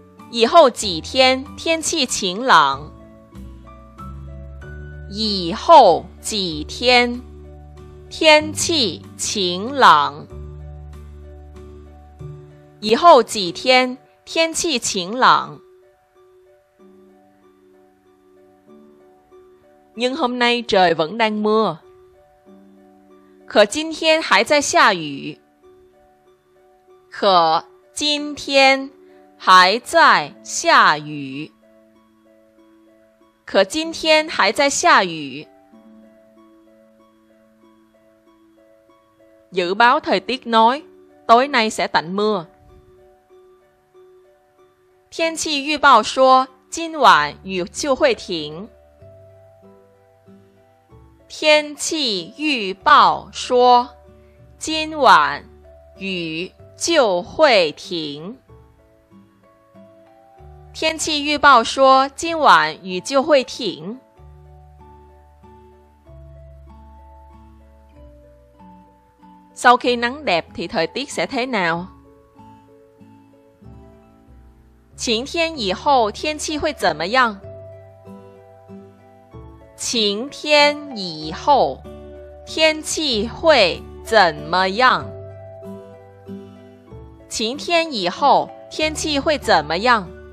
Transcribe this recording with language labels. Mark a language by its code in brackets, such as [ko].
[zh] 以后几天天气晴朗。以后几天天气晴朗。以后几天天气晴朗。 [vi] Nhưng hôm nay trời vẫn đang mưa. [zh] 可今天还在下雨。可今天还在下雨。可今天还在下雨。 [vi] Dự báo thời tiết nói, tối nay sẽ tạnh mưa. [zh] 天气预报说, 今晚雨就会停。天气预报说, 今晚雨就会停。天气预报说, 今晚雨就会停。 [vi] Sau khi nắng đẹp thì thời tiết sẽ thế nào? [zh] 晴天以后天气会怎么样？晴天以后天气会怎么样？晴天以后天气会怎么样？